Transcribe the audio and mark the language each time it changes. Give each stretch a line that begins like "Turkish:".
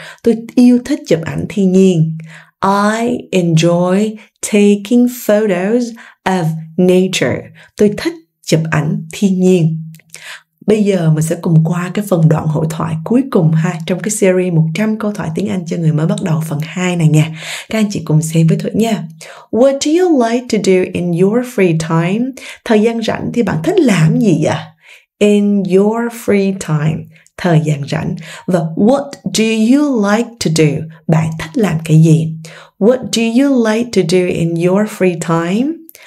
Vietnamese: Tôi yêu thích chụp ảnh thiên nhiên.
English: I enjoy taking photos of nature.
Vietnamese: Tôi thích chụp ảnh thiên nhiên. Bây giờ mình sẽ cùng qua cái phần đoạn hội thoại cuối cùng ha, trong cái series 100 câu thoại tiếng Anh cho người mới bắt đầu phần 2 này nha. Các anh chị cùng xem với Thuận nha.
English: What do you like to do in your free time?
Vietnamese: Thời gian rảnh thì bạn thích làm gì ạ?
English: In your free time,
Vietnamese: thời gian rảnh. Và
English: what do you like to do?
Vietnamese: Bạn thích làm cái gì?
English: What do you like to do in your free time?